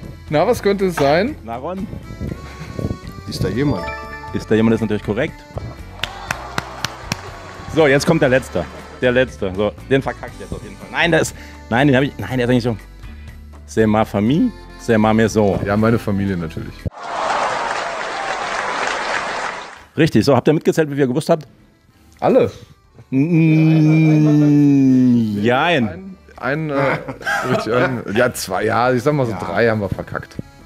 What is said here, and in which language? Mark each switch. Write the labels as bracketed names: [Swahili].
[German] Naron? Ist da jemand? Ist da jemand, ist natürlich korrekt. So, jetzt kommt der Letzte. So, den verkackt jetzt auf jeden Fall. Nein, der ist eigentlich so. [French] C'est ma famille, c'est ma maison. [German] Ja, meine Familie natürlich. Richtig, so, habt ihr mitgezählt, wie ihr gewusst habt? Alle. Jein. Drei haben wir verkackt.